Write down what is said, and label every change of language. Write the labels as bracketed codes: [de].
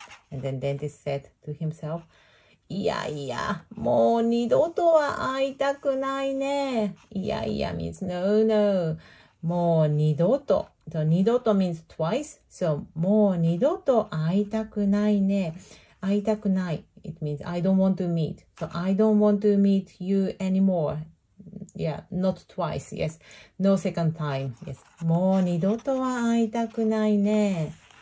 [en] And then dentist said to himself, [ja] いやいや、もう二度とは会いたくないね。 [en] いやいや means no, no. [ja] もう二度と。 [en] So, 二度と means twice. [ja] So, もう二度と会いたくないね。会いたくない。 [en] It means I don't want to meet. So, I don't want to meet you anymore. Yeah, not twice, yes. No second time, yes. [ja] もう二度とは会いたくないね。